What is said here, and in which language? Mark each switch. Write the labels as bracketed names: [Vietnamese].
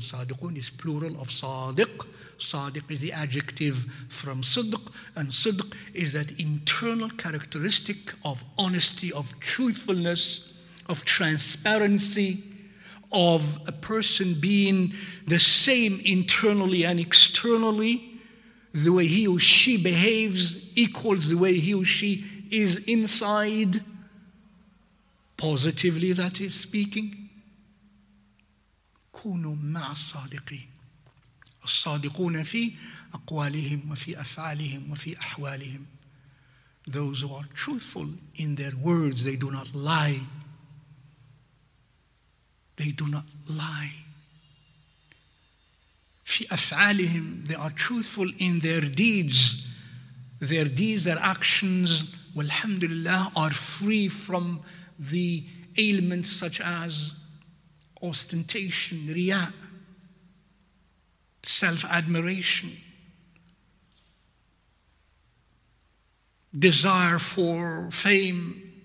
[English] Sadiqun is plural of Sadiq. Sadiq is the adjective from Sidq, and Sidq is that internal characteristic of honesty, of truthfulness, of transparency, of a person being the same internally and externally. The way he or she behaves equals the way he or she is inside. Positively, that is speaking. [Arabic] كونوا مع الصادقين الصادقون في أقوالهم وفي أفعالهم وفي أحوالهم. [English] Those who are truthful in their words, they do not lie. They do not lie. [Arabic] في أفعالهم, [English] they are truthful in their deeds. Their deeds, their actions, [Arabic] والحمد لله, [English] are free from the ailments such as ostentation, riya, self-admiration, desire for fame.